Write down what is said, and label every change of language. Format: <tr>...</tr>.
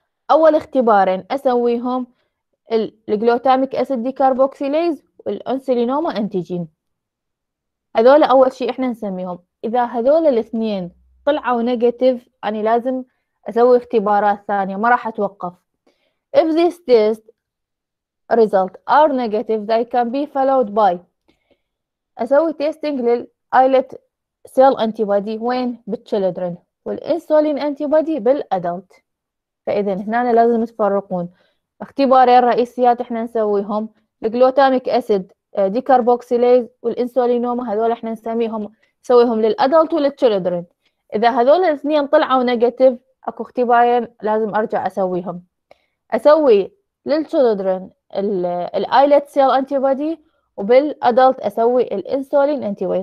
<ar>اول اختبارين اسويهم الجلوتاميك اسيد دي كاربوكسيليز والانسولينوما انتيجين، هذول اول شيء احنا نسميهم. اذا هذول الاثنين طلعوا نيجاتيف انا لازم اسوي اختبارات ثانيه، ما راح اتوقف.</ar> <en>If this test result are negative, they can be followed by أسوي testing لل islet cell antibody وين؟ بال children والانسولين antibody بال adult.</en> <ar>فإذا هنا لازم تفرقون اختبارين رئيسيات احنا نسويهم، الجلوتاميك acid decarboxylase والانسولينوما، هذول احنا نسميهم نسويهم لل adult ولل children. إذا هذول الاثنين طلعوا negative اكو اختبارين لازم ارجع اسويهم، اسوي للتشيلدرن الايلت سيل انتي بودي وبالادلت اسوي الانسولين انتي بودي.</ar>